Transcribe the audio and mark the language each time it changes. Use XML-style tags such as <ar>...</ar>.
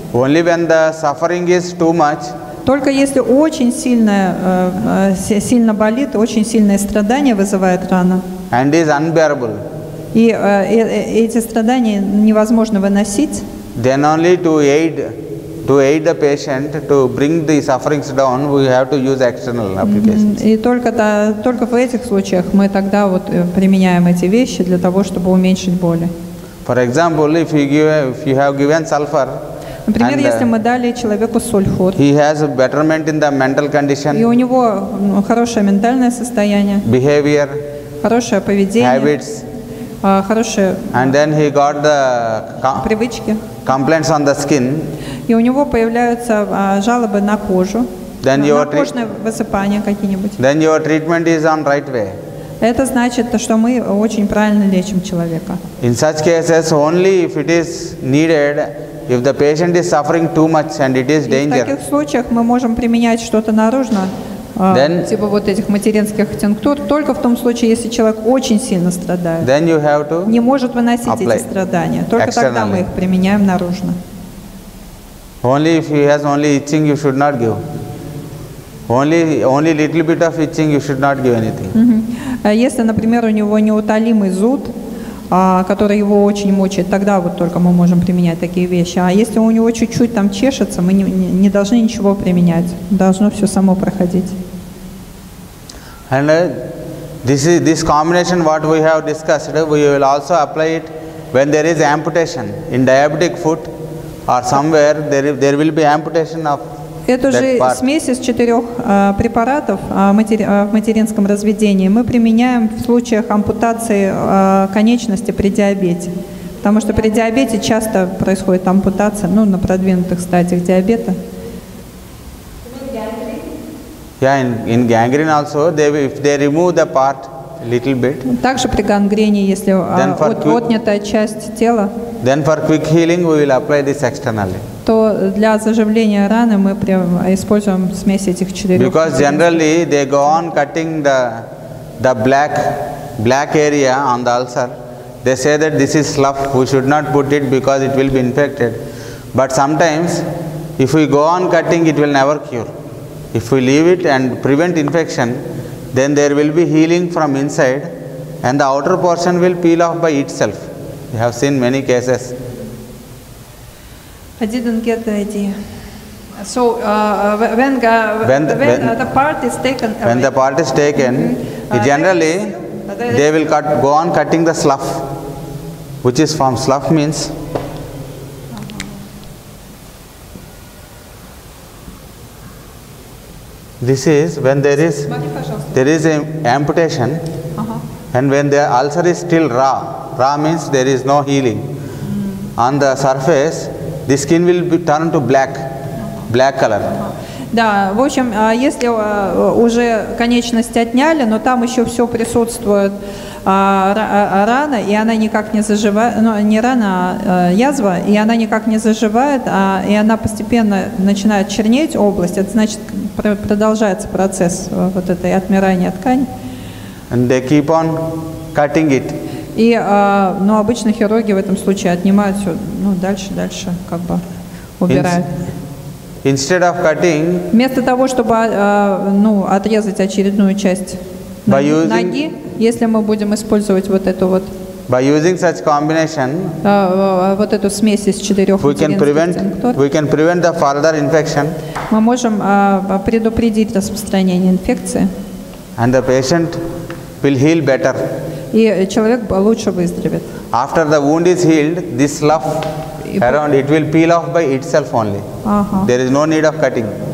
<en>Only when the suffering is too much.</en> <ru>Только если очень сильно болит, очень сильное страдание вызывает рана.</ru> <en>And is unbearable.</en> <ru>И эти страдания невозможно выносить.</ru> <en>Then only to aid the patient to bring the sufferings down, we have to use external applications.</en> <ru>И только в этих случаях мы тогда вот применяем эти вещи для того, чтобы уменьшить боли.</ru> <en>For example, if you have given sulfur,</en> <ru>например, если мы дали человеку сульфур,</ru> <en>he has a betterment in the mental condition,</en> <ru>и у него хорошее ментальное состояние,</ru> <en>behavior,</en> <ru>хорошее поведение,</ru> <en>habits,</en> <ru>хорошие</ru> <en>and then he got the</en> <ru>привычки.</ru> <en>Complaints on the skin.</en> <ru>И у него появляются жалобы на кожу.</ru> <en>Then</en> <ru>на кожное высыпание какие-нибудь.</ru> <en>Then your treatment is on right way.</en> <ru>Это значит, что мы очень правильно лечим человека.</ru> <en>In such cases, only if it is needed, if the patient is suffering too much and it is danger.</en> <ru>В таких случаях мы можем применять что-то наружно, типа вот этих материнских тинктур, только в том случае, если человек очень сильно страдает.</ru> <en>Then you have to</en> <ru>не может выносить эти страдания. Только</ru> <en>externally.</en> <ru>Тогда мы их применяем наружно.</ru> <en>Only if he has only itching, you should not give. Only little bit of itching, you should not give anything.</en> <ru>Если, например, у него неутолимый зуд, который его очень мучает, тогда вот только мы можем применять такие вещи. А если у него чуть-чуть там чешется, мы не должны ничего применять. Должно все само проходить.</ru> <en>And this combination what we have discussed, we will also apply it when there is amputation in diabetic foot or somewhere there will be amputation of.</en> <ru>Эту же смесь из четырех препаратов в материнском разведении мы применяем в случаях ампутации конечности при диабете. Потому что при диабете часто происходит ампутация, на продвинутых стадиях диабета.</ru> <en>In gangrene also, if they remove the part little bit.</en> <ru>Также при гангрене, если отнятая часть тела.</ru> <en>Then for quick healing we will apply this externally.</en> <ru>То для заживления раны мы используем смесь этих четырех.</ru> <en>Because generally they go on cutting the black area on the ulcer. They say that this is slough. We should not put it because it will be infected. But sometimes if we go on cutting, it will never cure. If we leave it and prevent infection, then there will be healing from inside, and the outer portion will peel off by itself. We have seen many cases. I didn't get the idea. So when the part is taken, mm-hmm. Generally they will go on cutting the slough, which is from slough means. This is when there is an amputation, uh-huh. And when the ulcer is still raw means there is no healing. Mm. On the surface, the skin will be turned to black color.</en> <ru>Да, в общем, если уже конечность отняли, но там еще все присутствует рана, и она никак не заживает, язва, и она никак не заживает, и она постепенно начинает чернеть область, это значит, продолжается процесс вот этой отмирания ткани.</ru> <en>And they keep on cutting it.</en> <ru>И, обычно хирурги в этом случае отнимают все, дальше, как бы убирают.</ru> <en>Instead of cutting,</en> <ru>вместо того, чтобы отрезать очередную часть ноги, если мы будем использовать вот эту вот,</ru> <en>by using such combination,</en> <ru>вот эту смесь из четырех</ru> <en>we can prevent the further infection.</en> <ru>Мы можем предупредить распространение инфекции.</ru> <en>And the patient will heal better.</en> <ru>И человек лучше выздоровеет.</ru> <en>After the wound is healed, this slough around it will peel off by itself only. Uh-huh. There is no need of cutting.</en>